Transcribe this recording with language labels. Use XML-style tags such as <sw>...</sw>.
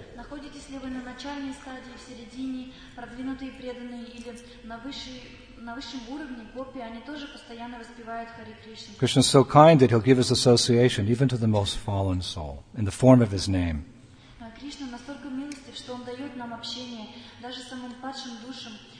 <ru>Находитесь ли вы на начальной стадии, в середине, продвинутые преданные, или на высшем уровне гопи, они тоже постоянно воспевают Hare Krishna.</ru> <en>Krishna is so kind that he'll give his association even to the most fallen soul in the form of his name.</en> <ru>Кришна настолько милостив, что он дает нам общение даже самым падшим душам.</ru>